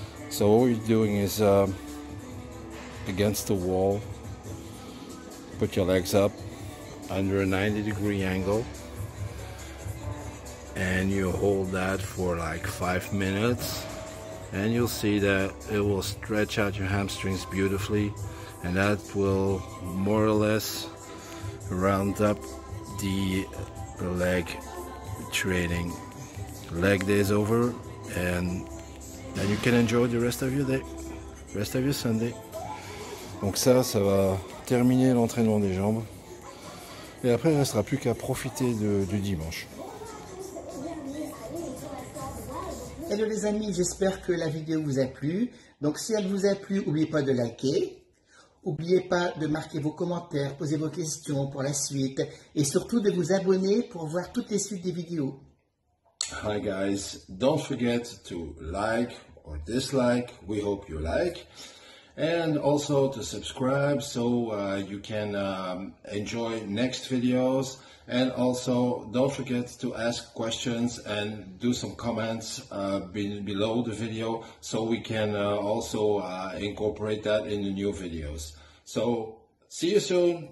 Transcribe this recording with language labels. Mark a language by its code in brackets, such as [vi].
[en] So what we're doing is against the wall, put your legs up under a 90 degree angle and you hold that for like 5 minutes, and you'll see that it will stretch out your hamstrings beautifully, and that will more or less round up the leg training. Leg day is over, and then you can enjoy the rest of your day, rest of your Sunday. [fr] Donc ça, ça va terminer l'entraînement des jambes. Et après, il ne restera plus qu'à profiter du dimanche. Hello les amis, j'espère que la vidéo vous a plu. Donc si elle vous a plu, n'oubliez pas de liker. N'oubliez pas de marquer vos commentaires, poser vos questions pour la suite. Et surtout de vous abonner pour voir toutes les suites des vidéos. [en] Hi guys, don't forget to like or dislike. We hope you like. And also to subscribe so you can enjoy next videos. And also don't forget to ask questions and do some comments below the video so we can also incorporate that in the new videos. So see you soon.